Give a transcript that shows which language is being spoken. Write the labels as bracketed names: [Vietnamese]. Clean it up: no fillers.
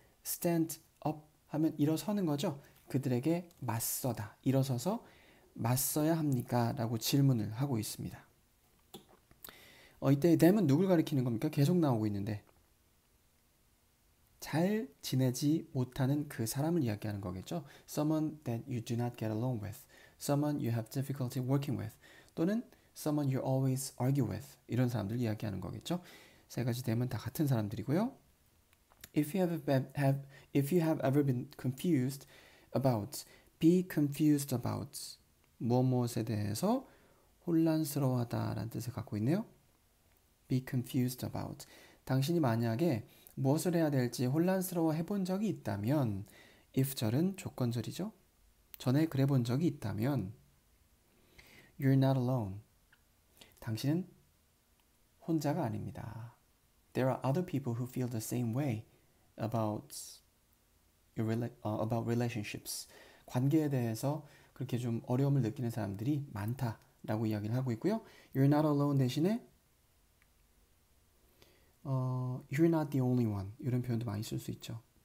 [English] stand up [Korean] 하면 일어서는 거죠? 그들에게 맞서다. 일어서서 맞서야 합니까? 라고 질문을 하고 있습니다. 이때 them은 누굴 가리키는 겁니까? 계속 나오고 있는데. 잘 지내지 못하는 그 사람을 이야기하는 거겠죠. [English] Someone that you do not get along with. Someone you have difficulty working with. [Korean] 또는 [English] someone you always argue with. [Korean] 이런 사람들 이야기하는 거겠죠. 세 가지 대문 다 같은 사람들이고요. [English] If you have ever been confused about, be confused about [Korean] 무엇무엇에 대해서 혼란스러워하다라는 뜻을 갖고 있네요. [English] Be confused about. [Korean] 당신이 만약에 무엇을 해야 될지 혼란스러워 해본 적이 있다면, if절은 조건절이죠. 전에 그래 본 적이 있다면, [English] you're not alone. [Korean] 당신은 혼자가 아닙니다. [English] There are other people who feel the same way about relationships. [Korean] 관계에 대해서 그렇게 좀 어려움을 느끼는 사람들이 많다라고 이야기를 하고 있고요. [English] You're not alone [Korean] 대신에 [English] you're not the only one [Korean] 이런 표현도 많이 쓸수 있죠.